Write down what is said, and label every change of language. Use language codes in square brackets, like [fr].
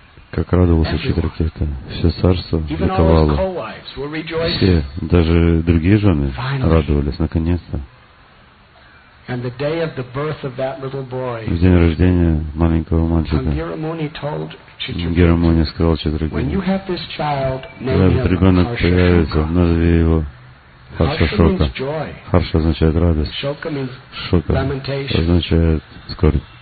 [ru] Как радовался Читракета, все царство ликовало. Все, даже другие жены радовались, наконец-то. [en] And the day of the birth of that little boy. [ru] В день рождения маленького мальчика. Гирамуни сказал Читракете. [en] When you have this child, [ru] когда этот ребенок появится, назови его Харшашока. Харша означает радость. [en] Шока means [ru] Шока означает скорбь.